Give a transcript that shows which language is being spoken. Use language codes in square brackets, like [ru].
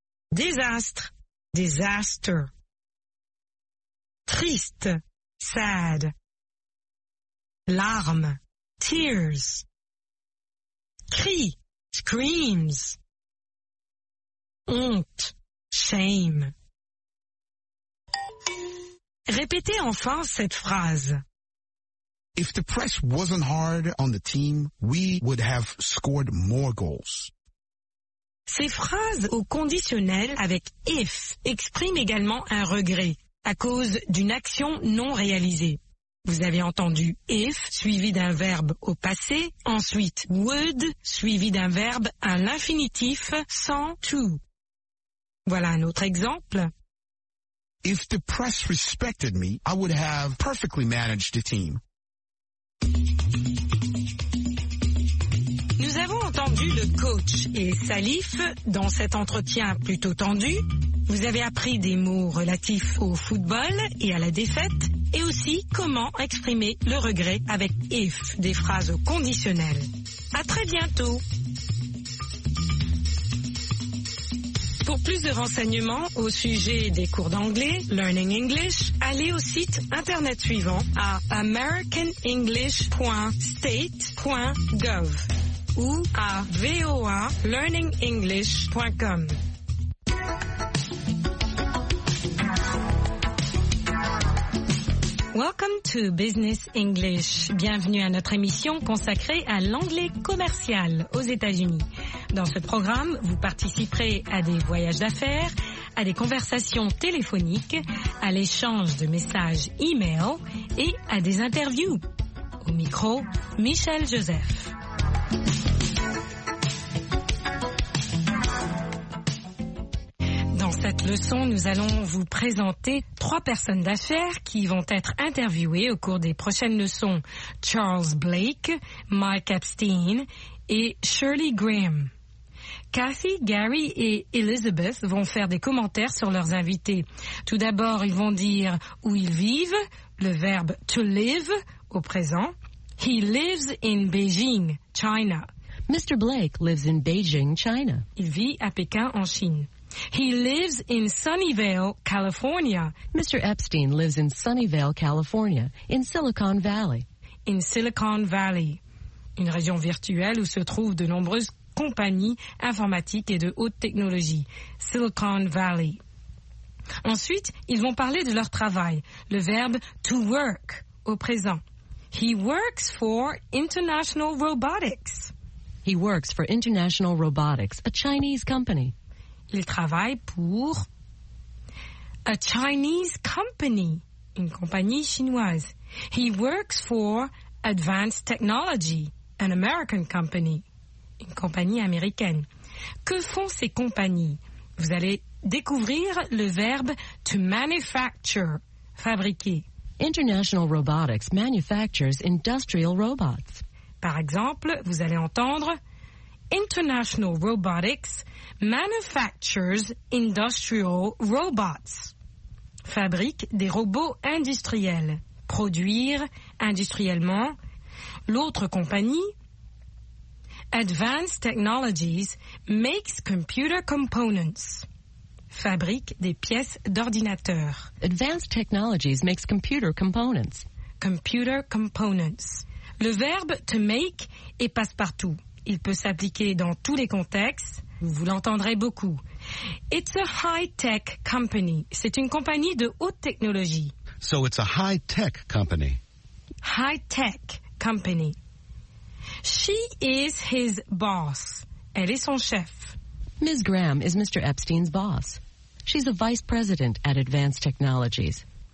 [fr] Désastre, disaster. Triste, sad. Larmes, tears. crie, screams. Honte, shame. Répétez enfin cette phrase. [en] If the press wasn't hard on the team, we would have scored more goals. [fr] Ces phrases au conditionnel avec if expriment également un regret à cause d'une action non réalisée. Vous avez entendu if suivi d'un verbe au passé, ensuite would suivi d'un verbe à l'infinitif sans to. Voilà un autre exemple. [en] If the press respected me, I would have perfectly managed the team. [fr] Nous avons entendu le coach et Salif dans cet entretien plutôt tendu. Vous avez appris des mots relatifs au football et à la défaite et aussi comment exprimer le regret avec if, des phrases conditionnelles. À très bientôt. Pour plus de renseignements au sujet des cours d'anglais, Learning English, allez au site internet suivant à americanenglish.state.gov ou à voalearningenglish.com. [en] Welcome to Business English. [fr] Bienvenue à notre émission consacrée à l'anglais commercial aux États-Unis. Dans ce programme, vous participerez à des voyages d'affaires, à des conversations téléphoniques, à l'échange de messages e-mail et à des interviews. Au micro, Michel Joseph. Dans cette leçon, nous allons vous présenter trois personnes d'affaires qui vont être interviewées au cours des prochaines leçons. Charles Blake, Mike Epstein et Shirley Graham. Kathy, Gary et Elizabeth vont faire des commentaires sur leurs invités. Tout d'abord, ils vont dire où ils vivent, le verbe to live au présent. [en] He lives in Beijing, China. Mr. Blake lives in Beijing, China. [fr] Il vit à Pékin, en Chine. [en] He lives in Sunnyvale, California. Mr. Epstein lives in Sunnyvale, California, in Silicon Valley. [fr] In Silicon Valley, une région virtuelle où se trouvent de nombreuses compagnies informatiques et de haute technologie. Silicon Valley. Ensuite, ils vont parler de leur travail. Le verbe to work au présent. [en] He works for International Robotics. He works for International Robotics, a Chinese company. [fr] Il travaille pour [en] a Chinese company, [fr] une compagnie chinoise. [en] He works for Advanced Technology, an American company, [fr] une compagnie américaine. Que font ces compagnies? Vous allez découvrir le verbe to manufacture, fabriquer. [en] International Robotics manufactures industrial robots. [fr] Par exemple, vous allez entendre [en] International Robotics manufactures industrial robots. [fr] Fabrique des robots industriels. Produire industriellement. L'autre compagnie, [en] Advanced Technologies makes computer components. [fr] Fabrique des pièces d'ordinateur. [en] Advanced Technologies makes computer components. Computer components. [fr] Le verbe to make est passe-partout. Il peut s'appliquer dans tous les contextes. Vous l'entendrez beaucoup. [en] It's a high-tech company. [fr] C'est une compagnie de haute technologie. [en] So it's a high-tech company. High-tech company. She is his boss. [fr] Elle est son chef. [en] Ms. Graham is Mr. Epstein's boss. She's a vice president at Advanced Technologies.